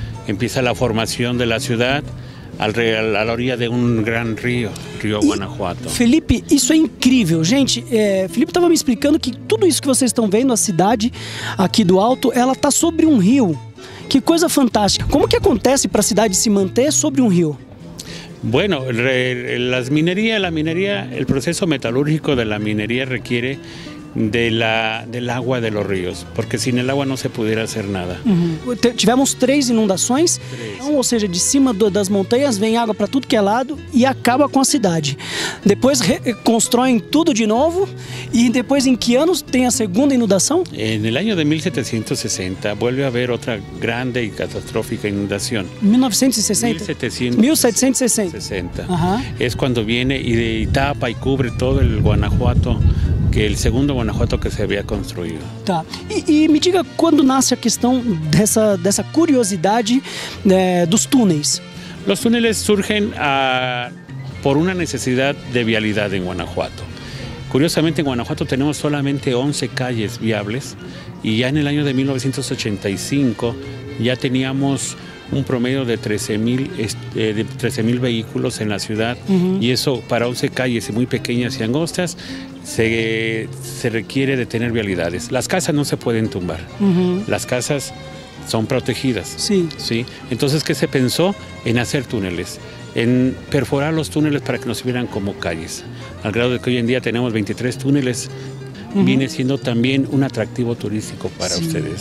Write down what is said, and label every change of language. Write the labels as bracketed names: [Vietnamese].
[Spanish] Empieza la formación de la ciudad a la orilla de un gran río, río Guanajuato. [Portuguese] Felipe, isso é incrível. Gente, Felipe estava me explicando que tudo isso que vocês estão vendo, a cidade aqui do alto, ela está sobre um rio. Que coisa fantástica. Como que acontece para a cidade se manter sobre um rio? [Spanish] Bueno, la minería, el proceso metalúrgico de la minería requiere del agua de los ríos, porque sin el agua no se pudiera hacer nada. [Portuguese] Tivemos [Spanish] tres inundaciones, [Portuguese] ou seja, de cima das montanhas vem água para tudo que é lado e acaba com a cidade. Depois reconstruem tudo de novo e depois em que anos tem a segunda inundação? [Spanish] En el año de 1760 vuelve a haber otra grande y catastrófica inundación. 1760. Es cuando viene y tapa y cubre todo el Guanajuato. [Portuguese] Que é o segundo Guanajuato que se havia construído. Tá. E me diga quando nasce a questão dessa curiosidade dos túneis. Os túneis surgem por uma necessidade de vialidade em Guanajuato. Curiosamente, em Guanajuato temos solamente 11 calles viáveis e já no ano de 1985 já teníamos um promedio de 13 mil veículos em la ciudad. E isso para 11 calles muito pequenas e angostas. [Spanish] Se requiere de tener vialidades. Las casas no se pueden tumbar. Las casas son protegidas. Sí. Sí. Entonces, ¿qué se pensó? En hacer túneles, en perforar los túneles para que nos sirvieran como calles. Al grado de que hoy en día tenemos 23 túneles, viene siendo también un atractivo turístico para ustedes.